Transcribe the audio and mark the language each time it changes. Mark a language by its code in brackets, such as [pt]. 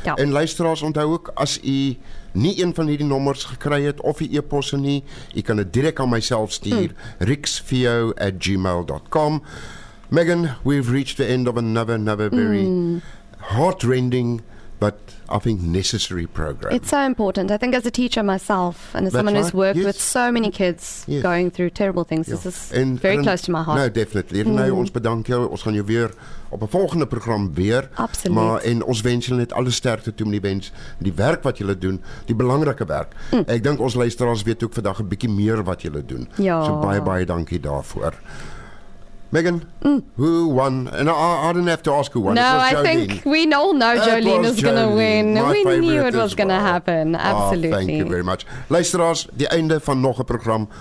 [af] En luisteraars, onthou ook, as u nie een van die nommers gekry het of die e-posse nie, u kan het direct aan myself stuur, riksvio@gmail.com. [en] Megan, we've reached the end of another very heart-rending but I think necessary program. It's so important. I think as a teacher myself and as someone who's worked with so many kids going through terrible things, this is and very close to my heart. No, definitely. [af] Renée, ons bedank jou. Ons gaan jou weer op 'n volgende program weer. Absoluut. Maar en ons wens julle net alle sterkte toe met die wens, die werk wat julle doen, die belangrike werk. Mm. Ek dink ons luisteraars weet ook vandag 'n bietjie meer wat julle doen. Ja. So baie baie dankie daarvoor. [en] Megan, who won? And I didn't have to ask who won. No, it was Jolene. I think we all know Jolene is going to win. We knew it was going to happen. Absolutely. Ah, thank you very much. [af] Luisteraars, die einde van nog 'n program.